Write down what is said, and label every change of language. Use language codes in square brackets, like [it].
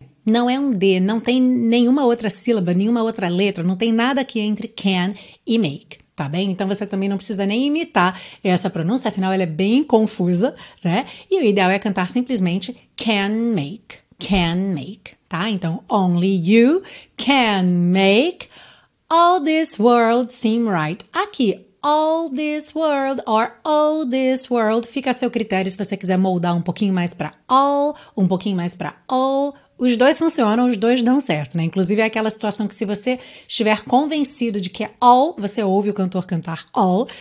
[pt] Não é um D, não tem nenhuma outra sílaba, nenhuma outra letra, não tem nada aqui entre can e make, tá bem? Então você também não precisa nem imitar essa pronúncia, afinal ela é bem confusa, né? E o ideal é cantar simplesmente can make, tá? Então, [en] only you can make all this world seem right. [pt] Aqui, [en] all this world or all this world, [pt] fica a seu critério se você quiser moldar um pouquinho mais pra all, um pouquinho mais pra all. Os dois funcionam, os dois dão certo, né? Inclusive é aquela situação que se você estiver convencido de que é all, você ouve o cantor cantar all.